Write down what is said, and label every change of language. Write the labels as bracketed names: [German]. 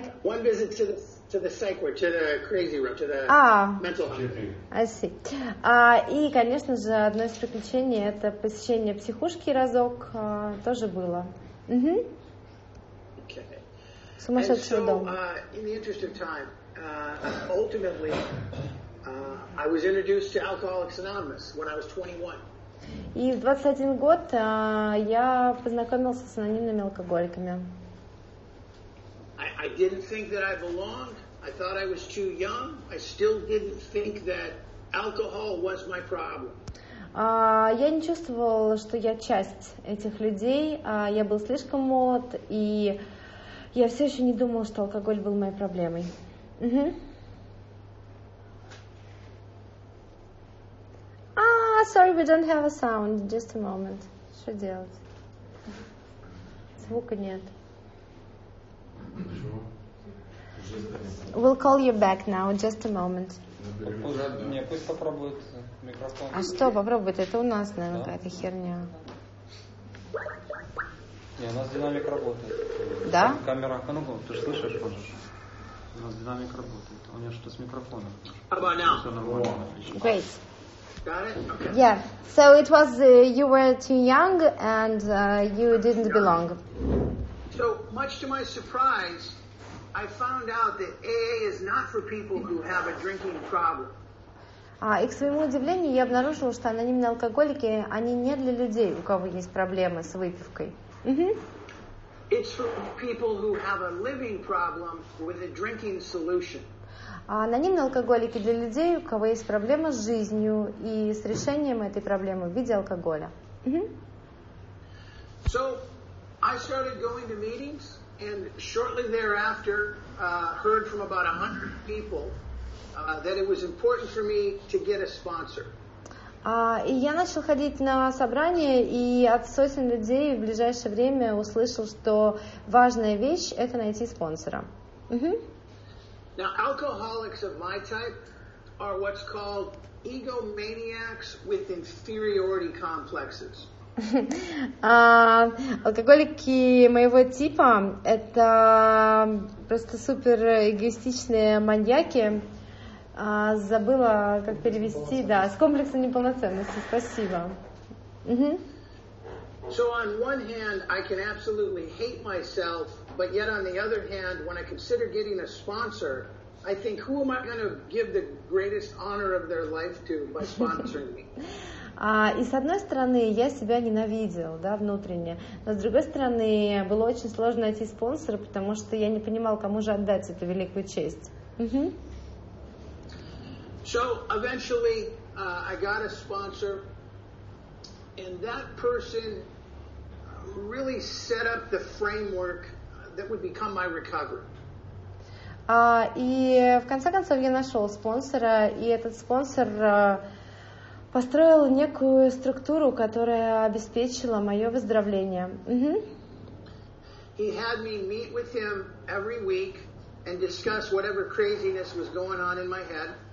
[English] One visit to the psych ward, to the crazy room, to the mental hospital. I see. [Russian] И, конечно же, одно из приключений – это посещение психушки разок тоже было. Угу. [English] Okay. [Russian] Сумасшедший дом. [English] In the interest of time, ultimately, I was introduced to Alcoholics Anonymous when I was 21. [Russian] И в 21 год я познакомился с анонимными алкоголиками. [English] I didn't think that I belonged. I thought I was too young. I still didn't think that alcohol was my problem. [Russian] Я не чувствовал, что я часть этих людей. Я был слишком молод, и я все еще не думал, что алкоголь был моей проблемой. Угу. [English] Sorry, we don't have a sound. Just a moment. [Russian] Что делать? Звука нет. [English] We'll call you back now. Just a moment. [Russian] Не, пусть попробует микрофон. А что попробует? Это у нас, наверное, какая-то херня. Не, у нас динамик работает. Да? Камера, ну, ты же слышишь, можешь? У нас динамик работает. У нее что-то с микрофоном. Все нормально. [English] Great. Got it? Okay. Yeah, so it was you were too young and you didn't belong. So, much to my surprise, I found out that AA is not for people who have a drinking problem. [Russian] И к своему удивлению, я обнаружила, что анонимные алкоголики, они не для людей, у кого есть проблемы с выпивкой. Mm-hmm. [English] It's for people who have a living problem with a drinking solution. [Russian] А анонимные алкоголики для людей, у кого есть проблема с жизнью и с решением этой проблемы в виде алкоголя. Mm-hmm. [English] So, I started going to meetings, and shortly thereafter, heard from about 100 people, that it was important for me to get a sponsor. [Russian] И я начал ходить на собрания, и от сотен людей в ближайшее время услышал, что важная вещь – это найти спонсора. Mm-hmm. [English] Now, alcoholics of my type are what's called egomaniacs with inferiority complexes. [Russian] Алкоголики моего типа – это просто суперэгоистичные маньяки. Забыла, как перевести. Да, с комплексом неполноценности. Спасибо. [English] So, on one hand, I can absolutely hate myself, but yet on the other hand, when I consider getting a sponsor, I think, who am I going to give the greatest honor of their life to by sponsoring me? [Russian] И с одной стороны, я себя ненавидел, да, внутренне. Но с другой стороны, было очень сложно найти спонсора, потому что я не понимал, кому же отдать эту великую честь. [English] So, eventually, I got a sponsor. And that person really set up the framework that would become my recovery. [Russian] И в конце концов я нашел спонсора, и этот спонсор построил некую структуру, которая обеспечила мое выздоровление. Mm-hmm. [English] He had me meet with him every week and discuss whatever craziness was going on in my head.